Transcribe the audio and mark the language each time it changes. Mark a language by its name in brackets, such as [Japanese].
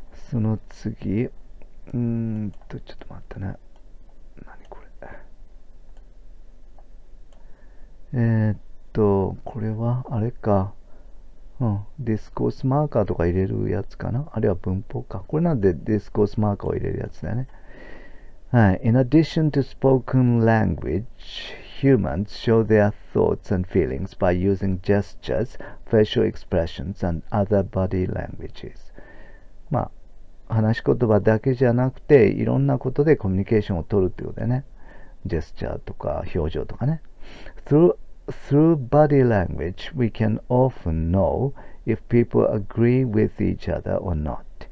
[Japanese] その次、ちょっと待ってね。何これ。これは、あれか。ディスコースマーカーとか入れるやつかな、あるいは文法か。これなんでディスコースマーカーを入れるやつだよね。はい。 [English] In addition to spoken language, humans show their thoughts and feelings by using gestures, facial expressions, and other body languages. [Japanese] まあ、話し言葉だけじゃなくて、いろんなことでコミュニケーションを取るってことだよね。ジェスチャーとか表情とかね。 [English] Through body language, we can often know if people agree with each other or not.